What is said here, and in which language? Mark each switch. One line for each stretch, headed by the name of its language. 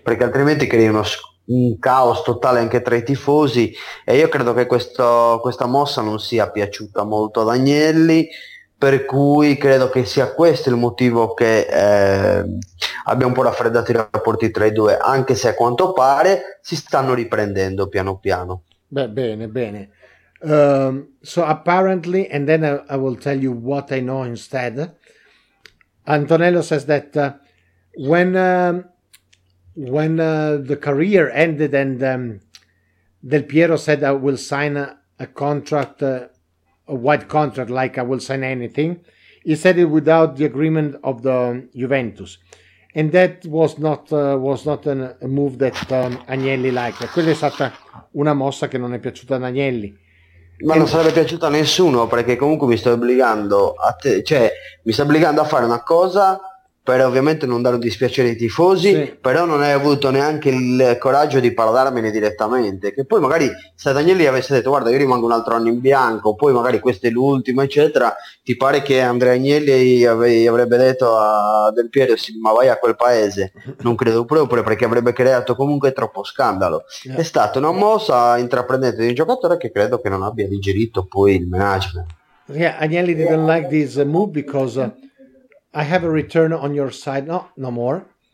Italian: Perché altrimenti crei un caos totale anche tra i tifosi, e io credo che questa mossa non sia piaciuta molto ad Agnelli, per cui credo che sia questo il motivo che abbia un po' raffreddato i rapporti tra i due, anche se a quanto pare si stanno riprendendo piano piano. Beh, bene, bene.
English: So apparently, and then I will tell you what I know instead. Antonello says that when the career ended and Del Piero said I will sign a contract, a white contract, like I will sign anything, he said it without the agreement of the Juventus. And that was not a move that Agnelli liked.
Italian: Quella è stata una mossa che non è piaciuta ad Agnelli. Ma non sarebbe piaciuta a nessuno, perché comunque mi sto obbligando a te, cioè mi sto obbligando a fare una cosa per ovviamente non dare un dispiacere ai tifosi, sì. Però non hai avuto neanche il coraggio di parlarmene direttamente, che poi magari se Agnelli avesse detto guarda io rimango un altro anno in bianco, poi magari questo è l'ultimo eccetera, ti pare che Andrea Agnelli avrebbe detto a Del Piero sì, ma vai a quel paese? Non credo proprio, perché avrebbe creato comunque troppo scandalo, sì. È stata una mossa intraprendente di un giocatore che credo che non abbia digerito poi il management.
English: Yeah, Agnelli didn't like this move because I have a return on your side, no more.